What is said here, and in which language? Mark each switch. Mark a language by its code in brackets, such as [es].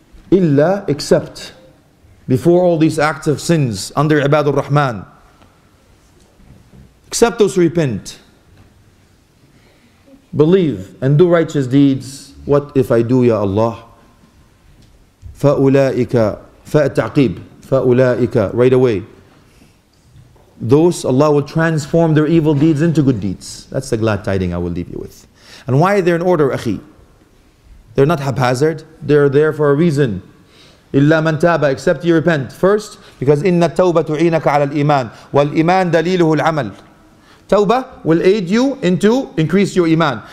[en] Illa, except, before all these acts of sins, under Ibadur Rahman, except those who repent, believe, and do righteous deeds, what if I do, Ya Allah? [ar] فَأُولَٰئِكَ فَأَتَعْقِيبُ فَأُولَٰئِكَ [en] right away. Those, Allah will transform their evil deeds into good deeds. That's the glad tiding I will leave you with. And why are they in order, akhi? They're not haphazard. They're there for a reason. [ar] إِلَّا مَنْ تَابَ [en] except you repent. [ar] First, because إِنَّ التَّوْبَةُ تُعِينَكَ عَلَى الْإِيمَانِ وَالْإِيمَانِ دَلِيلُهُ الْعَمَلِ [en] Tawbah will aid you into increase your iman.